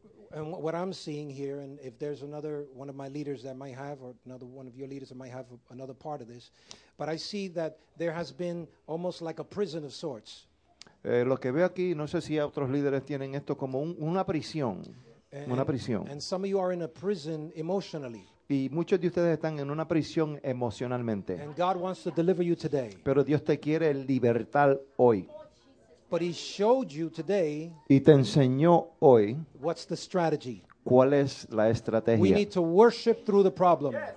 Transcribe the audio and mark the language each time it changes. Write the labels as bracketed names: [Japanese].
[English] And what I'm seeing here, and if there's another one of my leaders that might have, or another one of your leaders that might have another part of this, but I see that there has been almost like a prison of sorts. [Spanish] Lo que veo aquí, no sé si otros líderes tienen esto como una prisión. una prisión. [English] And some of you are in a prison emotionally. [Spanish] Y muchos de ustedes están en una prisión emocionalmente. [English] And God wants to deliver you today. [Spanish] Pero Dios te quiere libertar hoy. [English] But he showed you today. [Spanish] Y te enseñó hoy. [English] What's the strategy? [Spanish] ¿Cuál es la estrategia? [English] We need to worship through the problem. Yes,